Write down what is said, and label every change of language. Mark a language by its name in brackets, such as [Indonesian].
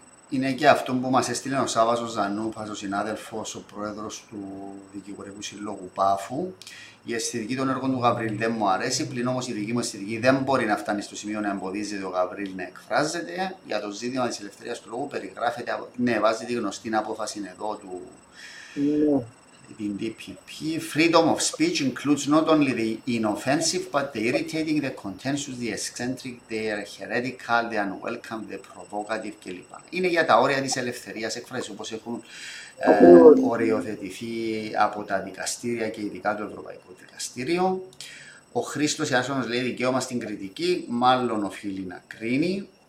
[Greek] Είναι και αυτό που μας έστειλε ο Σάββας ο Ζανούπας, ο συνάδελφος, ο πρόεδρος του Δικηγορικού Συλλόγου ΠΑΦΟΥ. Η αισθητική των έργων του Γαβρίλ δεν μου αρέσει, πλην όμως η δική μου αισθητική δεν μπορεί να φτάνει στο σημείο να εμποδίζεται ο Γαβρίλ να εκφράζεται. Για το ζήτημα της ελευθερίας του λόγου περιγράφεται, ναι, βάζει τη γνωστή απόφαση εδώ του DPP. [English] Freedom of speech includes not only the inoffensive, but the irritating, the contentious, the eccentric, the heretical, the unwelcome, the provocative κλπ. [Greek] Είναι για τα όρια της ελευθερίας εκφράσης, όπως έχουν οριοθετηθεί από τα δικαστήρια και ειδικά το Ευρωπαϊκό Δικαστήριο. Ο Χρήστος Ιάσονος λέει δικαίωμα στην κριτική, μάλλον οφείλει να κρίνει.